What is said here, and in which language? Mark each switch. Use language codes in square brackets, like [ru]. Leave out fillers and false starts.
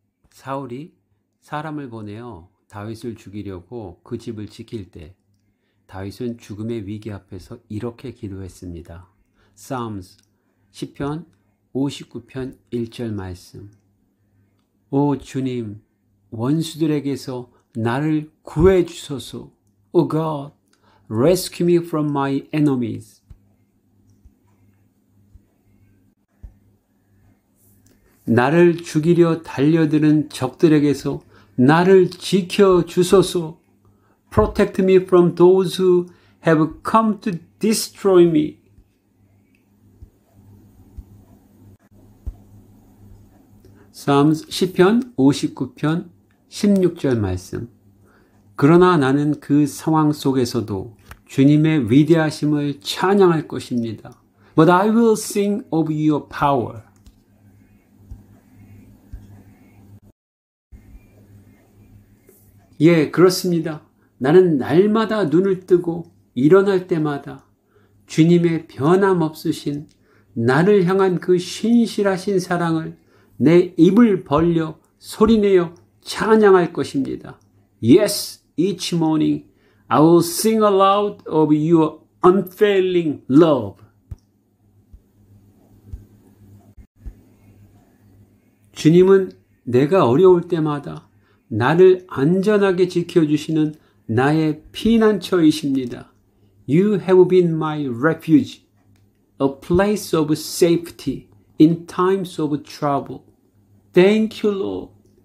[ko] 사울이 사람을 보내어 다윗을 죽이려고 그 집을 지킬 때, 다윗은 죽음의 위기 앞에서 이렇게 기도했습니다. Psalms 시편 59편 1절 말씀. 오 주님, 원수들에게서 나를 구해 주소서. [en] Oh God, rescue me from my enemies. [ko] 나를 죽이려 달려드는 적들에게서 나를 지켜 주소서. [en] Protect me from those who have come to destroy me. [ko] 사무 시편 59편 16절 말씀. 그러나 나는 그 상황 속에서도 주님의 위대하심을 찬양할 것입니다. [en] But I will sing of your power. [ko] 예, 그렇습니다. 나는 날마다 눈을 뜨고 일어날 때마다 주님의 변함없으신 나를 향한 그 신실하신 사랑을 내 입을 벌려 소리내어 찬양할 것입니다. [en] Yes, each morning I will sing aloud of your unfailing love. [ko] 주님은 내가 어려울 때마다 나를 안전하게 지켜주시는 나의 피난처이십니다. [en] You have been my refuge, a place of safety in times of trouble. Thank you, Lord.